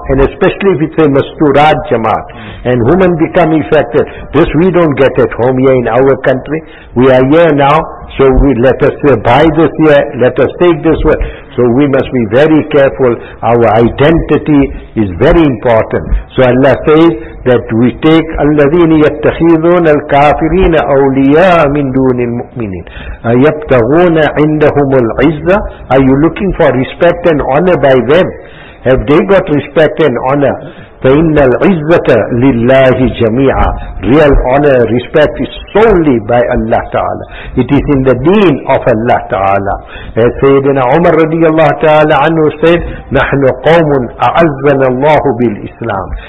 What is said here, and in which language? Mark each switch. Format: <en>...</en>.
<en>And especially if it's a Masturat Jamaat, and women become affected. This we don't get at home here in our country. We are here now, so we let us buy this here, let us take this one. So we must be very careful. Our identity is very important. So Allah says that we take</en> <ar>الَّذِينَ يَتَّخِذُونَ الْكَافِرِينَ أَوْلِيَاءَ مِنْ دُونِ الْمُؤْمِنِينَ يَبْتَغُونَ عِنْدَهُمُ الْعِزَّةِ.</ar> <en>Are you looking for respect and honor by them? Have they got respect and honor?</en> <ar>فَإِنَّ الْعِزَّةَ لِلَّهِ جَمِيعًا.</ar> <en>Real honor, respect is solely by Allah Ta'ala. It is in the deen of Allah Ta'ala. As Sayyidina Umar radiallahu ta'ala anhu said,</en> <ar>نَحْنُ قَوْمٌ أَعَزَّنَ اللَّهُ بِالْإِسْلَامِ.</ar>